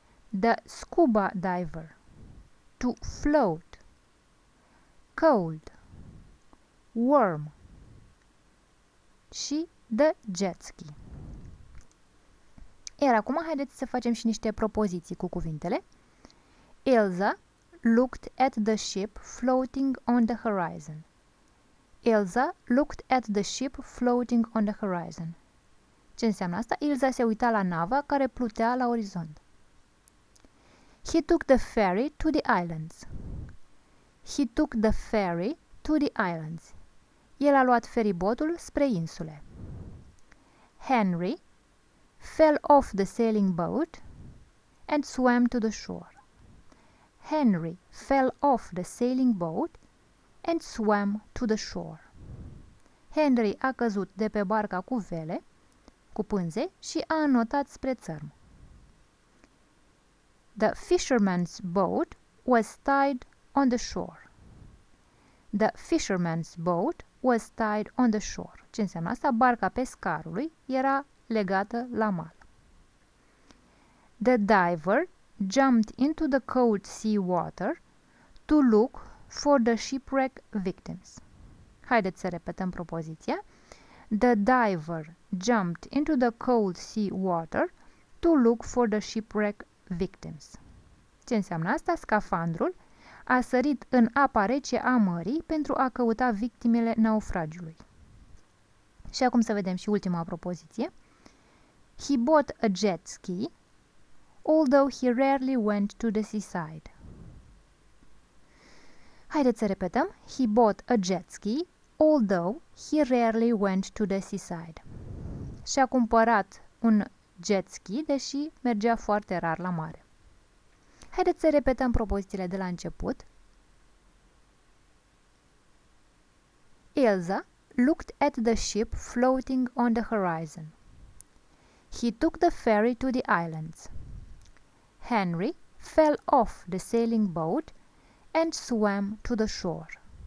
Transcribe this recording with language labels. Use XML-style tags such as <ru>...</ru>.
<en>The scuba diver. To float. Cold. Warm. Și the jet ski.</en> <ro>Iar acum haideți să facem și niște propoziții cu cuvintele.</ro> <en>Ilza looked at the ship floating on the horizon. Ilza looked at the ship floating on the horizon.</en> <ro>Ce înseamnă asta? Ilza se uita la nava care plutea la orizont.</ro> <en>He took the ferry to the islands. He took the ferry to the islands.</en> <ro>El a luat feribotul spre insule.</ro> <en>Henry fell off the sailing boat and swam to the shore. Henry fell off the sailing boat and swam to the shore.</en> <ro>Henry a căzut de pe barca cu vele, cu pânze, și a înotat spre țărm.</ro> <en>The fisherman's boat was tied on the shore. The fisherman's boat was tied on the shore.</en> <ro>Ce înseamnă asta? Barca pescarului era legată la mal.</ro> <en>The diver jumped into the cold sea water to look for the shipwreck victims.</en> <ro>Haideți să repetăm propoziția.</ro> <en>The diver jumped into the cold sea water to look for the shipwreck victims.</en> <ro>Ce înseamnă asta? Scafandrul a sărit în apa rece a mării pentru a căuta victimele naufragiului. Și acum să vedem și ultima propoziție.</ro> <en>He bought a jet ski, although he rarely went to the seaside.</en> <ro>Haideți să repetăm.</ro> <en>He bought a jet ski, although he rarely went to the seaside.</en> <ro>Și-a cumpărat un jet ski, deși mergea foarte rar la mare. Haideți să repetăm propozițiile de la început.</ro> <en>Ilza looked at the ship floating on the horizon. He took the ferry to the islands. Henry fell off the sailing boat and swam to the shore.</en>